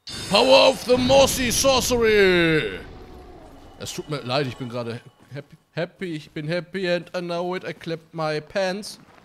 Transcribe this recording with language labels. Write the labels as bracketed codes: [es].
[en] Power of the Mossy Sorcery! [de] Es tut mir leid, ich bin gerade happy. Ich bin [en] happy and I know it. I clapped my pants.